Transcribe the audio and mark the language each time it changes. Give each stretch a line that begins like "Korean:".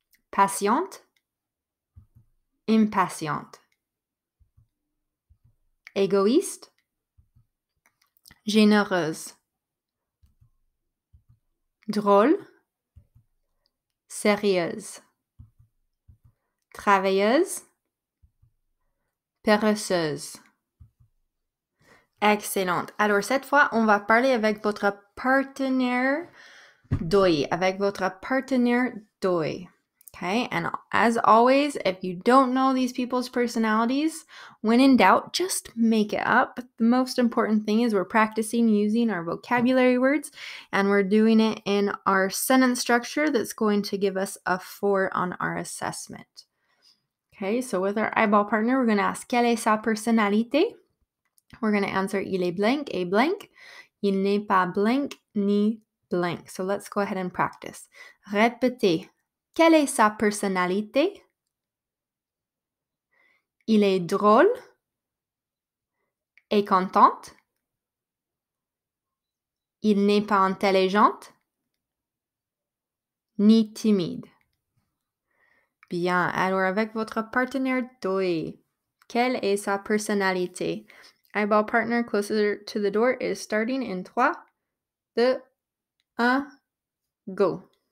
French: patiente, impatiente, égoïste, généreuse, drôle, sérieuse, travailleuse, paresseuse, Excellent. Alors, cette fois, on va parler avec votre partenaire d'oeil, avec votre partenaire d'oeil.
English: Okay, and as always, if you don't know these people's personalities, when in doubt, just make it up. The most important thing is we're practicing using our vocabulary words and we're doing it in our sentence structure that's going to give us a 4 on our assessment. Okay, so with our eyeball partner, we're going to ask,
French: quelle est sa personnalité?
English: We're going to answer,
French: il est blank, et blank. Il n'est pas blank, ni blank.
English: So let's go ahead and practice.
French: Répétez. Quelle est sa personnalité? Il est drôle et contente. Il n'est pas intelligente ni timide. Bien, alors avec votre partenaire Doi, quelle est sa personnalité?
English: Eyeball partner closer to the door is starting in 3, 2, 1, go.